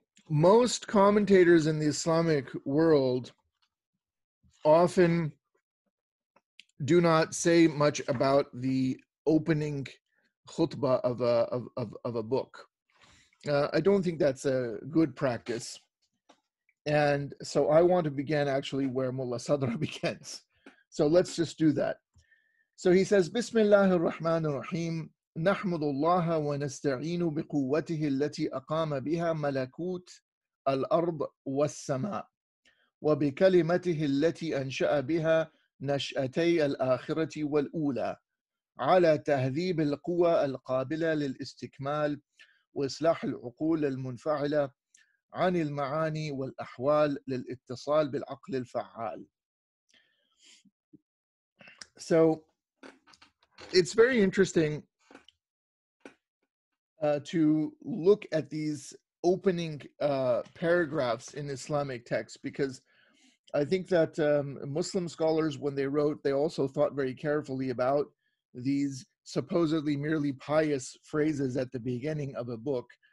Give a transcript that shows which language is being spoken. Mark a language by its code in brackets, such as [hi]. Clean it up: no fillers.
[en] Most commentators in the Islamic world often do not say much about the opening khutbah of a book. I don't think that's a good practice. And so I want to begin actually where Mullā Ṣadrā begins. So let's just do that. So he says, Bismillahir Rahmanir Rahim, [ar] نحمد الله ونستعين بقوته التي أقام بها ملكوت الأرض والسماء وبكلمته التي أنشأ بها نشأتي الآخرة والأولى على تهذيب القوى القابلة للاستكمال وإصلاح العقول المنفعلة عن المعاني والأحوال للاتصال بالعقل الفعال. [en] So it's very interesting to look at these opening paragraphs in Islamic texts, because I think that Muslim scholars, when they wrote, they also thought very carefully about these supposedly merely pious phrases at the beginning of a book.